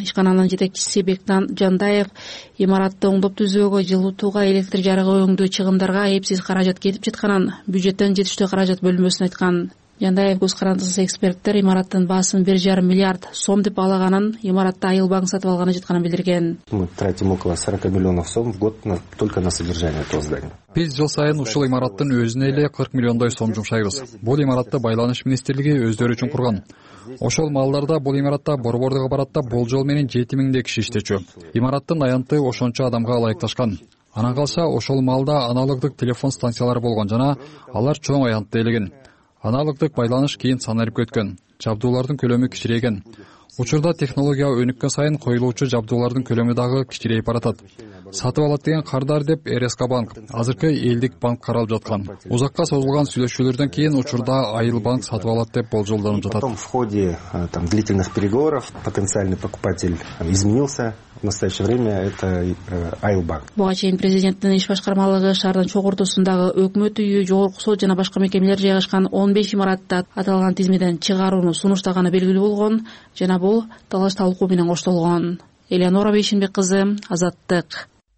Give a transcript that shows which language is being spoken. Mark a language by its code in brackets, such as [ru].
[ky] Ишкананын жетекчиси Бектан Жандаев имаратты оңдоп түзөөгө, жылытууга, электр жарыгы өңдөө чыгымдарга эпсиз каражат кетип жатканын, бюджеттен жетиштүү каражат бөлүнбөсүн айткан. Жандаев көз карандысыз эксперттер имараттын баасын 1.5 миллиард сом деп алганын, имаратты Айыл банк сатып алганы жатканын билдирген. [ru] Мы тратим около 40 миллионов сом в год только на содержание этого здания. [ky] Биз жыл сайын ушул имараттын өзүнө эле 40 миллиондой сом жумшайбыз. Бул имаратты байланыш министрлиги өздөрү үчүн курган. Ошол маалдарда бул имаратта борбордук аппаратта болжол менен 7000 киши иштечү. Имараттын аянты ошончо адамга ылайыкташкан. Анан калса ошол маалда аналогдук телефон станциялары болгон жана алар чоң аянтты ээлеген. Аналогдук байланыш кийин санарып өткөн. Жабдуулардын көлөмү кичирейген. Учурда технология өнүккөн сайын коюлуучу жабдуулардын көлөмү дагы кичирейип баратат. Сатып алат деген кардар деп РСК банк, азыркы элдик банк каралып жаткан. Узакка созулган сүйлөшүүлөрдөн кийин учурда Айыл банк сатып алат деп болжолдонуп жатат. [ru] В ходе там длительных переговоров потенциальный покупатель изменился. В настоящее время это Айыл банк. [ky] Буга чейин президенттин иш башкармалыгы шаардын чогортусундагы өкмөт үйү, жогорку сот жана башка мекемелер жайгашкан 15 имаратта аталган тизмеден чыгарууну сунуштаганы белгилүү болгон жана бул талаш талкуу менен коштолгон. Элеонора Бейшенбек кызы, Азаттык.